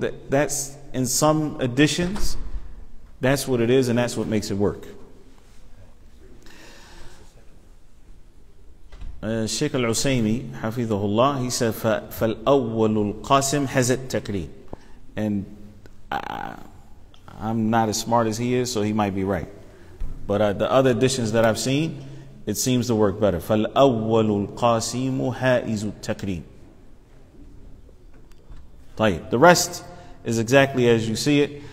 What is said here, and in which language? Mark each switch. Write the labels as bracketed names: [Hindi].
[English] That's in some editions, that's what it is, and that's what makes it work. Sheikh Al-Usaymi, حفظه الله, he said, [Arabic] فَالْأَوَّلُ الْقَاسِمُ حَزَتْ تَكْرِيمُ. [English] And I'm not as smart as he is, so he might be right. But the other editions that I've seen, it seems to work better. [Arabic] فَالْأَوَّلُ الْقَاسِمُ حَائِزُ التَّكْرِيمُ. طيب. [English] The rest is exactly as you see it.